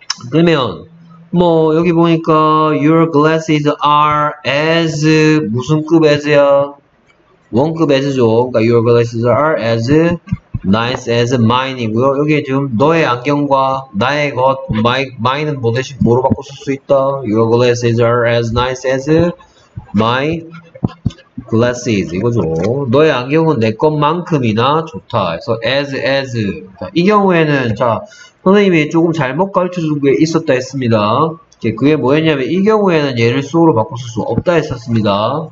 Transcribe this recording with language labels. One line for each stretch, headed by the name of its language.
Korean: 그러면, 뭐, 여기 보니까,
English: your glasses are as,
Korean: 무슨 급 as야? 원급 as죠. 그러니까,
English: your glasses are as, nice as mine
Korean: 이고요. 여기에 지금 너의 안경과 나의 것, mine은 뭐 대신 뭐로 바꿀 수 있다?
English: Your glasses are as nice as my glasses
Korean: 이거죠. 너의 안경은 내 것만큼이나 좋다. 그래서 as. 자, 이 경우에는 자 선생님이 조금 잘못 가르쳐준 게 있었다 했습니다. 그게 뭐였냐면 이 경우에는 얘를 so로 바꿀 수 없다 했었습니다.